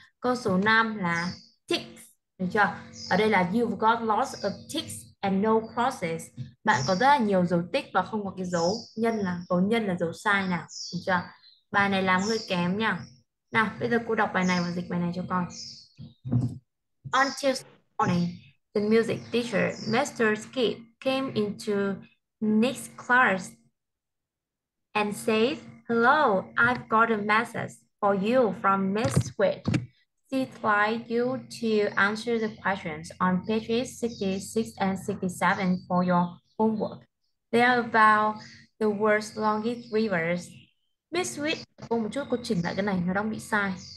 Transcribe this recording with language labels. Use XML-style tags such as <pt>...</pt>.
<vi>Câu số 5 là ticks, được chưa? Ở đây là</vi> <en>you've got lots of ticks and no crosses.</en> <vi>Bạn có rất là nhiều dấu tích và không có cái dấu nhân, là dấu nhân là dấu sai nào, được chưa? Bài này làm hơi kém nhỉ? Nào, bây giờ cô đọc bài này và dịch bài này cho con.</vi> <en>On Tuesday morning, the music teacher, Mr. Skip, came into Nick's class and said, "Hello, I've got a message for you from Miss Sweet. She'd like you to answer the questions on pages 66 and 67 for your homework. They are about the world's longest rivers."</en> <vi>Miss Sweet, cô một chút, cô chỉnh lại cái này, nó đang bị sai.</vi>